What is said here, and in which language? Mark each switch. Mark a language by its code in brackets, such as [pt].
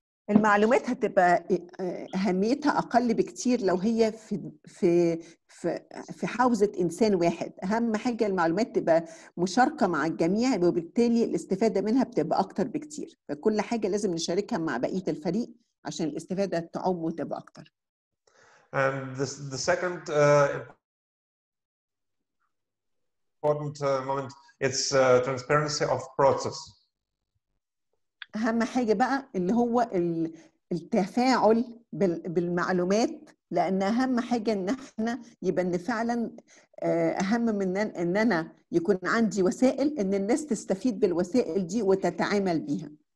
[ar] المعلومات هتبقى أهميتها أقل بكتير لو هي في في في في حوزة إنسان واحد. أهم حاجة المعلومات تبقى مشاركة مع الجميع، وبالتالي الاستفادة منها بتبقى أكتر بكتير. فكل حاجة لازم نشاركها مع بقية الفريق عشان الاستفادة تعم وتبقى أكتر. [en] And the second important moment it's transparency of process. [ar] أهم حاجة بقى اللي هو التفاعل بالمعلومات، لأن أهم حاجة إن إحنا يبقى إن فعلاً أهم من إن أنا يكون عندي وسائل إن الناس تستفيد بالوسائل دي وتتعامل بيها.